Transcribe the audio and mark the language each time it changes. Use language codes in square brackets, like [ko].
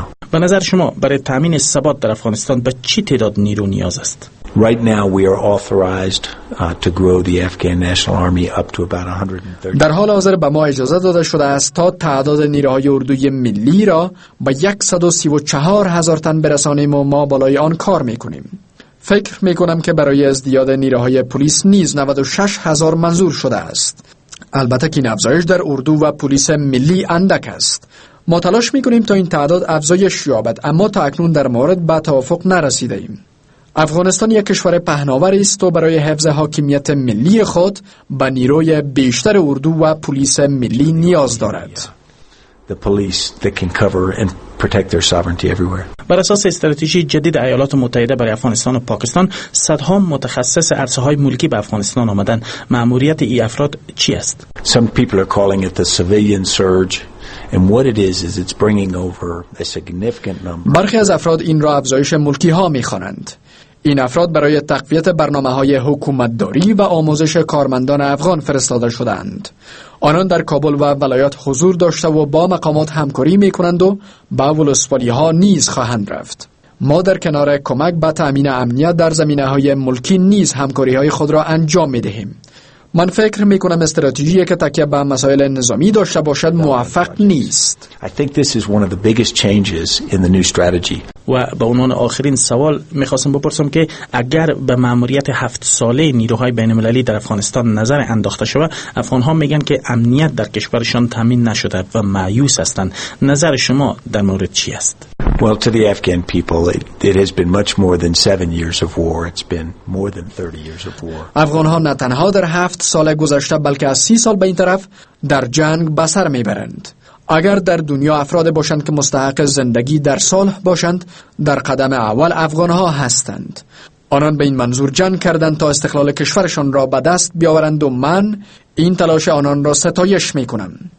[fa] به نظر شما برای تامین ثبات در افغانستان به چی تعداد نیرو نیاز است؟ [en] Right now we are authorized to grow the Afghan National Army up to about 130. [fa] در حال حاضر به ما اجازه داده شده است تا تعداد نیروهای اردوی ملی را به 134,000 تن برسانیم و ما بالای آن کار میکنیم. فکر میکنم که برای ازدیاد نیروهای پلیس نیز 96,000 منظور شده است. البته که این افزایش در اردو و پلیس ملی اندک است. ما تلاش میکنیم تا این تعداد افزایش یابد، اما تا اکنون در مورد به توافق نرسیده ایم. افغانستان یک کشور پهناور است و برای حفظ حاکمیت ملی خود به نیروی بیشتر اردو و پلیس ملی نیاز دارد. [en] the police that can cover and protect their sovereignty everywhere. [fa] بر اساس استراتژی جدید ایالات متحده برای افغانستان و پاکستان، صدها متخصص عرصه‌های ملکی به افغانستان آمدند. مأموریت این افراد چی است؟ [en] Some people are calling it the civilian surge. And what it is it's bringing over a significant number. [fa] برخی از افراد این را افزایش ملکی ها می خوانند. این افراد برای تقویت برنامه‌های حکومتداری و آموزش کارمندان افغان فرستاده شدند. آنان در کابل و ولایات حضور داشته و با مقامات همکاری می کنند و با ولسوالی ها نیز خواهند رفت. ما در کنار کمک به تأمین امنیت در زمینه‌های ملکی نیز همکاری های خود را انجام می دهیم. من فکر می کنم استراتژی که تکیه به مسائل نظامی داشته باشد موفق نیست. [en] I think this is one of the biggest changes in the new strategy. [fa] و به عنوان آخرین سوال می‌خواستم بپرسم که اگر به مأموریت 7 ساله نیروهای بین‌المللی در افغانستان نظر انداخته شود، افغان‌ها میگن که امنیت در کشورشان تامین نشده و مایوس هستند. نظر شما در مورد چی است؟ [en] Well, to the Afghan people, it has been much more than 7 years of war. It's been more than 30 years of war. [fa] افغان‌ها نه تنها در 7 سال گذشته بلکه از 30 سال به این طرف در جنگ به سر می‌برند. اگر در دنیا افراد باشند که مستحق زندگی در صلح باشند، در قدم اول افغان‌ها هستند. آنان به این منظور جنگ کردند تا استقلال کشورشان را به دست بیاورند و من این تلاش آنان را ستایش می‌کنم.